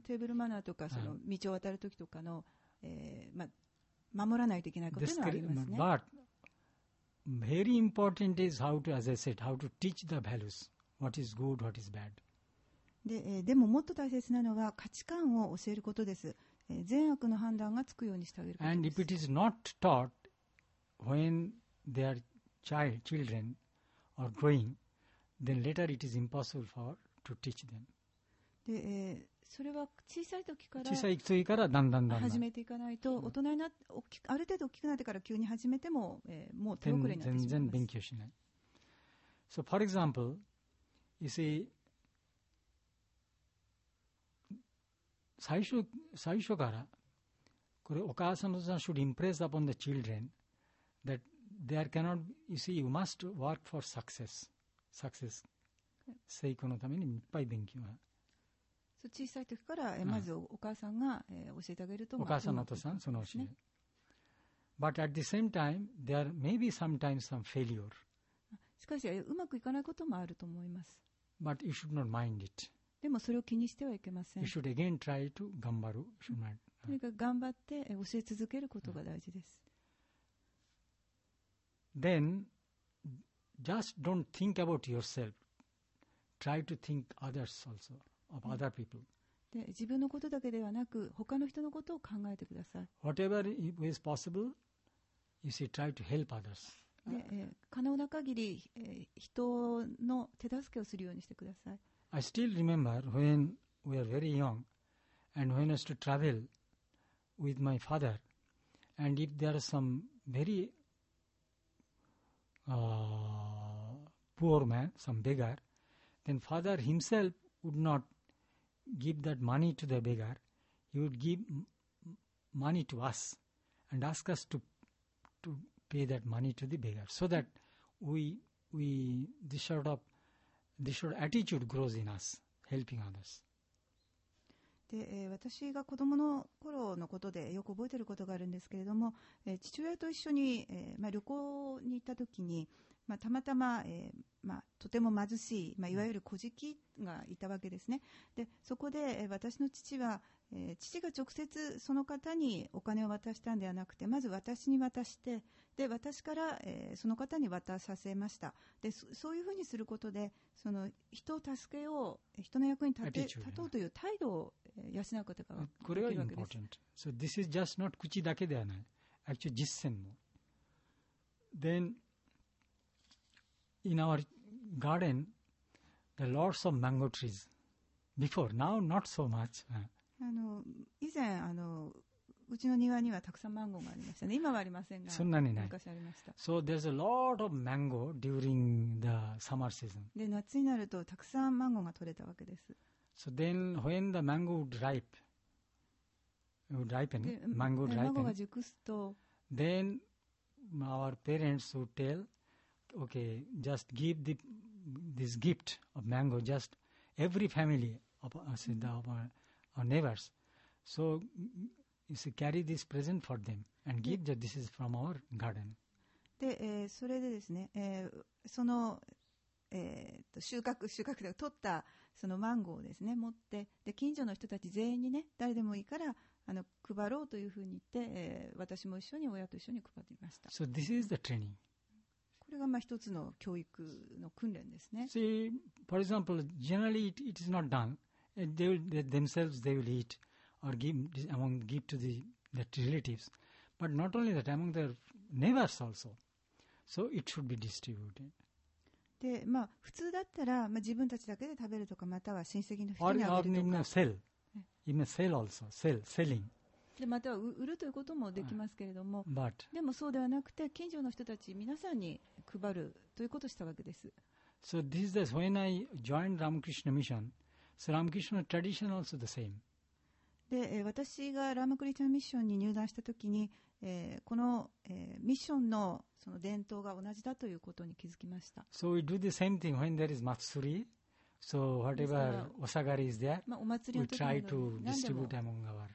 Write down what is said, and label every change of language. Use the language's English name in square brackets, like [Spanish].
[Japanese] テーブルマナーとか、その道を渡るときとかの、ま、守らないといけないことがありますね。 [English] But very important is how to, as I said, how to teach the values, what is good, what is bad. [Japanese] でももっと大切なのは価値観を教えることです。善悪の判断がつくようにしてあげることです。 [English] And if it is not taught when they are children. Or growing, then later it is impossible for to teach them. [Japanese] で、それは小さい時から、小さい時からだんだんだんだん始めていかないと、大人になって大きある程度大きくなってから急に始めても、もう手遅れになってしまいます。全然勉強しない。 [English] So for example, you see, [Japanese] 最初からこれお母さんの人 [English] should impress upon the children that. There cannot, you see, you must work for success. Success. [Japanese] 成功のためにいっぱい勉強は。そう、小さい時から、まずお母さんが、教えてあげると、お母さんのお父さん、その教え。 [English] But at the same time, there may be sometimes some failure. [Japanese] しかし、うまくいかないこともあると思います。 [English] But you should not mind it. [Japanese] でもそれを気にしてはいけません。 [English] You should again try to 頑張る。 [Japanese] 何か頑張って教え続けることが大事です。 [English] Then, just don't think about yourself. Try to think others also, of other people. [Japanese] で、自分のことだけではなく、他の人のことを考えてください。 [English] Whatever is possible, you see, try to help others. [Japanese] で、可能な限り、人の手助けをするようにしてください。 [English] I still remember when we were very young, and when I used to travel with my father, and if there are some very... poor man, some beggar, then father himself would not give that money to the beggar. He would give money to us and ask us to pay that money to the beggar so that we this sort of attitude grows in us, helping others. [Japanese] で、私が子供の頃のことでよく覚えていることがあるんですけれども、父親と一緒に、旅行に行った時に、たまたま、とても貧しい、いわゆる小敷がいたわけですね。でそこで、私の父は、父が直接その方にお金を渡したんではなくて、まず私に渡して、で私から、その方に渡させました。で そういうふうにすることで、その人を助けよう、人の役に立とうという態度を養うことができるわけです。これは [English] important、 so this is just not [Japanese] 口だけではない、 [English] actually [Japanese] 実践も。 [English] Then in our garden there are lots of mango trees before, now not so much。 [Japanese] 以前うちの庭にはたくさんマンゴーがありましたね。今はありませんが、そんなにない。昔ありました。 [English] So there's a lot of mango during the summer season。 [Japanese] で、夏になるとたくさんマンゴーが取れたわけです。 [English] So then when the mango would ripe, mango would ripen, [Japanese] マンゴーが熟すと、 [English] then our parents would tell, okay, just give the this gift of mango just every family of us, our neighbors. So is to carry this present for them and give that this is from our garden. [Japanese] で、それでですね、その、収穫で取ったそのマンゴーをですね、持って、で近所の人たち全員にね、誰でもいいから配ろうというふうに言って、私も一緒に、親と一緒に配りました。 [English] So this is the training. [Japanese] これが一つの教育の訓練ですね。 [English] See, for example, generally it is not done. They will eat. Or give to the relatives, but not only that, among their neighbors also. So it should be distributed. [Japanese] で、普通だったら、自分たちだけで食べるとか、または親戚の人にあげるとか。 [English] Or even sell. Even sell also. Selling. [Japanese] で、または売るということもできますけれども。 [English] But. [Japanese] でもそうではなくて、近所の人たち皆さんに配るということをしたわけです。 [English] So this is this. When I joined Ramakrishna Mission, so Ramakrishna tradition also the same. [Japanese] で、私がラマクリチャミッションに入団したときに、この、ミッションのその伝統が同じだということに気づきました。 [English] So we do the same thing when there is matsuri. So whatever osagari is there, [Japanese] お祭りの時に [English] we try to distribute among our